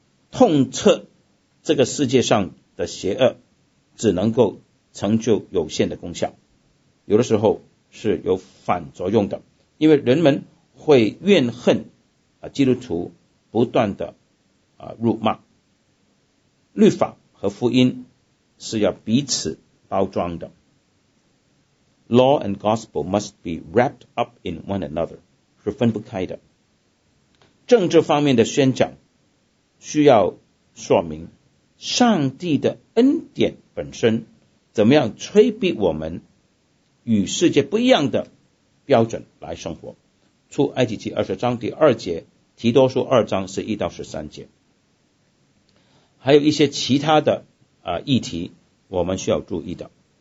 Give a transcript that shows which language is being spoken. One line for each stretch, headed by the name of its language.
Chinese: 痛彻这个世界上的邪恶只能够成就有限的功效，有的时候是有反作用的，因为人们会怨恨基督徒不断的辱骂。律法和福音是要彼此包装的。
English: Law and gospel must be wrapped up in one another,
Chinese: 是分不开的。政治方面的宣讲需要说明上帝的恩典本身怎么样催逼我们与世界不一样的标准来生活。出埃及记二十章第二节，提多书二章十一到十三节，还有一些其他的议题我们需要注意的。